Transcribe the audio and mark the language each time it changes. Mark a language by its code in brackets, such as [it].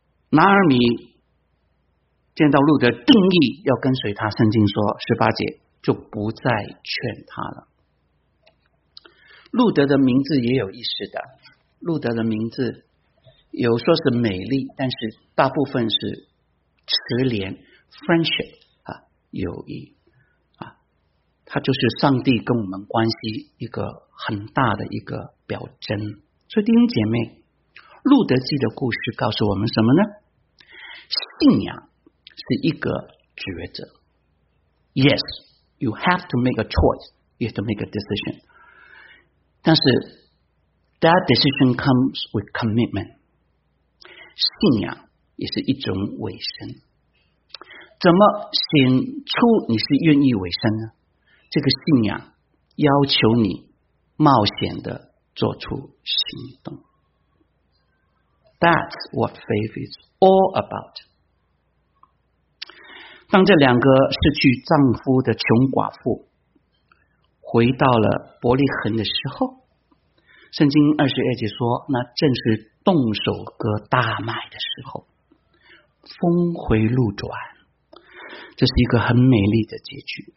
[zh] 拿尔米见到路德定义要跟随他，圣经说十八节就不再劝他了。路德的名字也有意思的，路德的名字有说是美丽，但是大部分是慈怜 friendship 啊，友谊啊，它就是上帝跟我们关系一个很大的一个表征。所以弟兄姐妹，路德记的故事告诉我们什么呢？信仰是一个抉择。 [en] YesYou have to make a choice. You have to make a decision. [zh] 但是 [en] that decision comes with commitment. [zh] 信仰也是一种委身。怎么显出你是愿意委身呢？这个信仰要求你冒险的做出行动。 [en] That's what faith is all about. [zh] 当这两个失去丈夫的穷寡妇回到了伯利恒的时候，圣经二十二节说，那正是动手割大麦的时候，峰回路转，这是一个很美丽的结局。